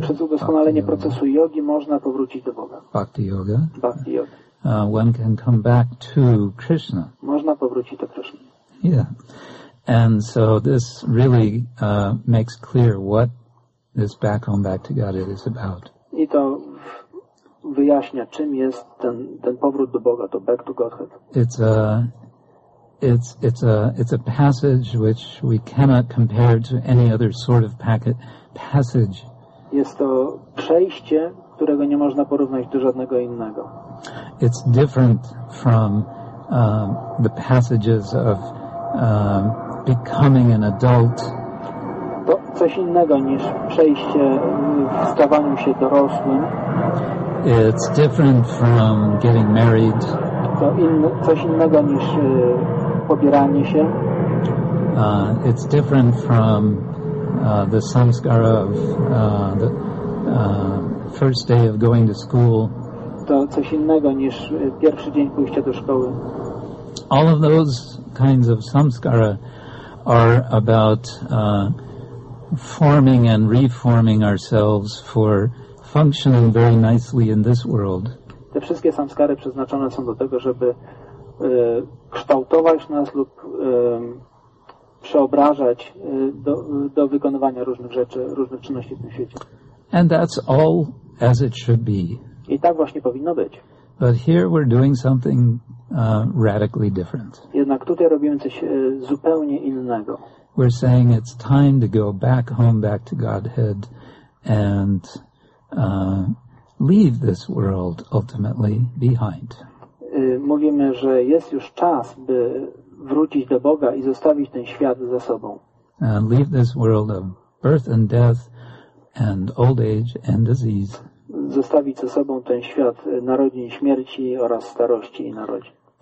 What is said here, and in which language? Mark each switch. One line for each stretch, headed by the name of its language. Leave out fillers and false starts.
Polish: przez udoskonalenie procesu jogi można powrócić do Boga. Bhakti yoga. Bhakti yoga.
English: One can come back to Krishna.
Polish: Można powrócić do Krishna.
English: Yeah. And so this really makes clear what this back home, back to Godhead is about.
Polish: I to wyjaśnia, czym jest ten powrót do Boga, to
English: back to Godhead. It's a passage which we cannot compare to any other sort of passage.
Polish: Jest to przejście, którego nie można porównać do żadnego innego.
English: It's different from the passages of becoming an adult.
Polish: To coś innego niż przejście w stawaniu się dorosłym.
English: It's different from getting married.
Polish: To coś innego niż pobieranie się.
English: It's different from the samskara of the first day of going to school.
Polish: To coś innego niż pierwszy dzień pójścia do szkoły.
English: All of those kinds of samskara are about forming and reforming ourselves for functioning very nicely in this world.
Polish: Te wszystkie samskary przeznaczone są do tego, żeby kształtować nas lub przeobrażać do wykonywania różnych rzeczy, różnych czynności w tym świecie.
English: And that's all as it should be.
Polish: I tak właśnie powinno być.
English: But here we're doing something radically different.
Polish: Jednak tutaj robimy coś zupełnie innego.
English: We're saying it's time to go back home, back to Godhead, and leave this world ultimately behind.
Polish: Mówimy, że jest już czas, by wrócić do Boga i zostawić ten świat za sobą.
English: And leave this world of birth and death and old age and disease.
Polish: Zostawić ze sobą ten świat narodzin, śmierci oraz starości i narodzin.